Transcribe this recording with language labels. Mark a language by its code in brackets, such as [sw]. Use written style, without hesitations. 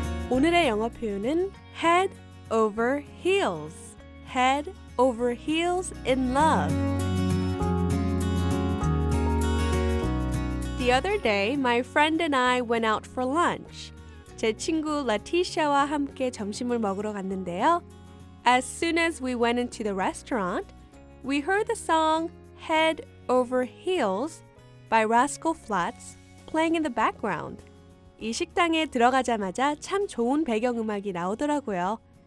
[ko] 오늘의 영어 표현은 [en] head over heels. Head over heels in love. The other day, my friend and I went out for lunch. [ko] 제 친구 라티샤와 함께 점심을 먹으러 갔는데요. [en] As soon as we went into the restaurant, we heard the song Head Over Heels by Rascal Flatts playing in the background. [ko] 이 식당에 들어가자마자 참 좋은 배경음악이 나오더라고요.